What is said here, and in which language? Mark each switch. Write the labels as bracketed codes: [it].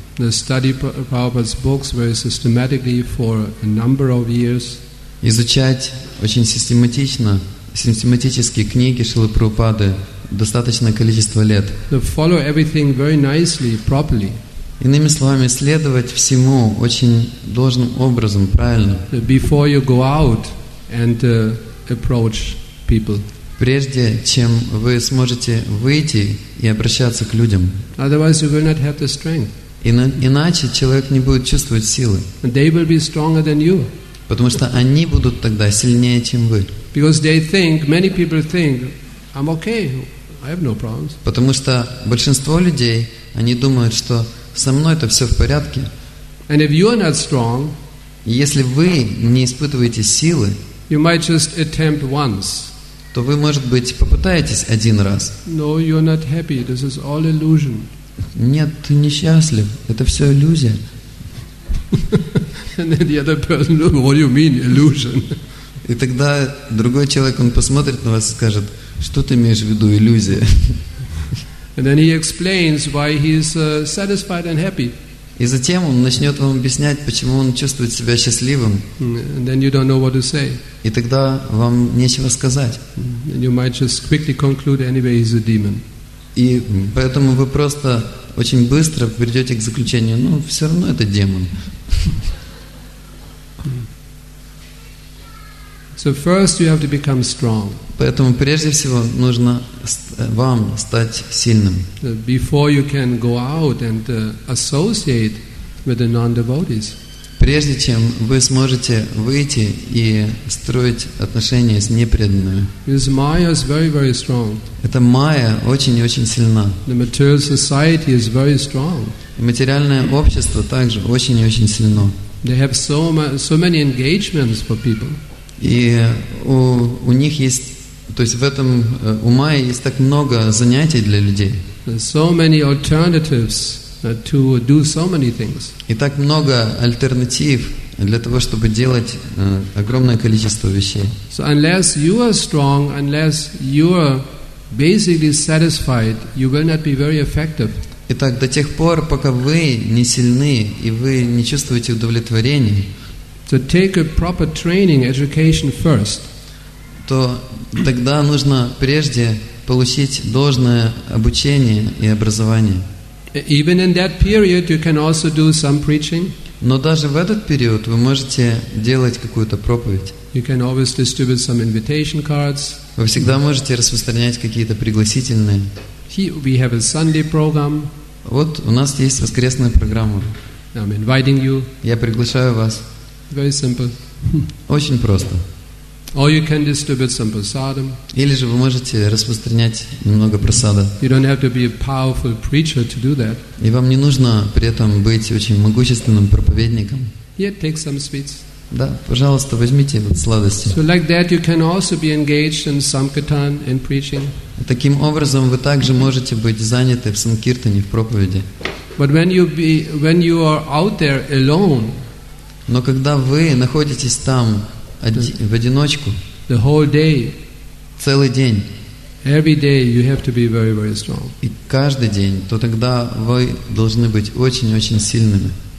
[en] Study Prabhupada's books very systematically for a number of years. [ru] Изучать очень систематически книги Шрилы Прабхупады достаточное количество лет. [en] Follow everything very nicely, properly. [ru] Иными словами, следовать всему очень должным образом, правильно. [en] Before you go out and approach people. [ru] Прежде чем вы сможете выйти и обращаться к людям. [en] Otherwise you will not have the strength. [ru] Иначе человек не будет чувствовать силы. [en] They will be stronger than you. [ru] Потому что они будут тогда сильнее, чем вы. [en] Because they think, many people think, I'm okay, I have no problems. [ru] Потому что большинство людей, они думают, что со мной это все в порядке. [en] And if you are not strong, [ru] если вы не испытываете силы, [en] you might just attempt once. [ru] То вы, может быть, попытаетесь один раз. [en] No, you're not happy. This is all illusion. [ru] Нет, ты несчастлив. Это все иллюзия. [en] And then the other person will say, what do you mean, illusion? [ru] И тогда другой человек, он посмотрит на вас и скажет, что ты имеешь в виду, иллюзия? [en] And then he explains why he is satisfied and happy. [ru] И затем он начнет вам объяснять, почему он чувствует себя счастливым. [en] And then you don't know what to say. [ru] И тогда вам нечего сказать. [en] And you might just quickly conclude anyway, he's a demon. [ru] И поэтому вы просто очень быстро придете к заключению, ну, все равно это демон. [en] So first you have to become strong. [ru] Поэтому прежде всего нужно вам стать сильным. [en] Before you can go out and associate with the non-devotees. [ru] Прежде чем вы сможете выйти и строить отношения с непреданными. [en] Because Maya is very, very strong. [ru] Эта майя очень и очень сильна. [en] The material society is very strong. [ru] И материальное общество также очень и очень сильно. [en] They have so many engagements for people. [ru] И у них есть, то есть в этом у майя есть так много занятий для людей. [en] So many alternatives to do so many things. [ru] И так много альтернатив для того, чтобы делать огромное количество вещей. [en] So unless you are strong, unless you are basically satisfied, you will not be very effective. [ru] Итак, до тех пор, пока вы не сильны и вы не чувствуете удовлетворения. [en] So take a proper training, education first. [ru] То тогда нужно прежде получить должное обучение и образование. [en] Even in that period, you can also do some preaching. [ru] Но даже в этот период вы можете делать какую-то проповедь. [en] You can always distribute some invitation cards. [ru] Вы всегда можете распространять какие-то пригласительные. [en] We have a Sunday program. [ru] Вот у нас есть воскресная программа. [en] I'm inviting you. [ru] Я приглашаю вас. [en] Very simple. [ru] Очень просто. [en] Or you can distribute some prasadam. [ru] Или же вы можете распространять немного прасада. [en] You don't have to be a powerful preacher to do that. [ru] И вам не нужно при этом быть очень могущественным проповедником. [en] Yeah, take some sweets. [ru] Да, пожалуйста, возьмите вот сладости. [en] So like that you can also be engaged in sankirtan and preaching. [ru] Таким образом вы также можете быть заняты в санкиртане, в проповеди. [en] But when you are out there alone. [ru] Но когда вы находитесь там в одиночку, [en] the whole day, [ru] целый день, [en] every day you have to be very, very strong. [ru] И каждый день, то тогда вы должны быть очень-очень сильными.